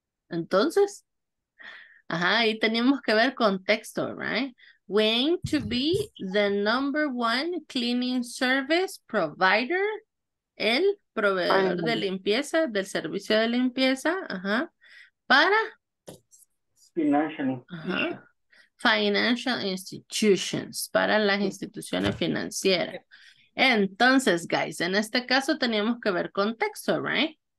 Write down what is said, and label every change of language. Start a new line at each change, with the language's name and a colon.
Spanish: Entonces, ajá, ahí tenemos que ver contexto, right?
English: We aim to be the number one cleaning service provider.
Spanish: El proveedor de limpieza, del servicio de limpieza, ajá, para
English: financial,
Spanish: ajá,
English: financial institutions,
Spanish: para las instituciones financieras. Entonces, guys, en este caso teníamos que ver contexto, right?